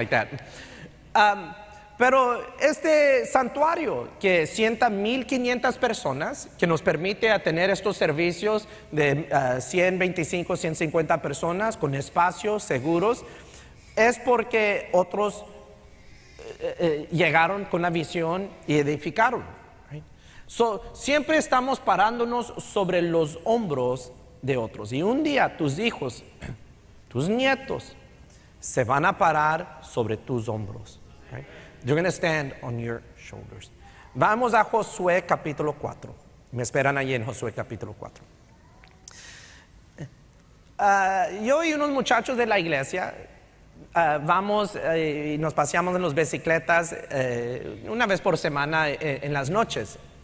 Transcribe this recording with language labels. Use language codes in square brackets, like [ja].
[en] Like that. [es] Pero este santuario que sienta 1,500 personas, que nos permite a tener estos servicios de 125, 150 personas con espacios seguros, es porque otros llegaron con la visión y edificaron. So, siempre estamos parándonos sobre los hombros de otros. Y un día tus hijos, tus nietos, se van a parar sobre tus hombros. [en] You're going to stand on your shoulders. [es] Vamos a Josué capítulo 4. Me esperan allí en Josué capítulo 4. Yo y unos muchachos de la iglesia vamos y nos paseamos en las bicicletas una vez por semana en las noches.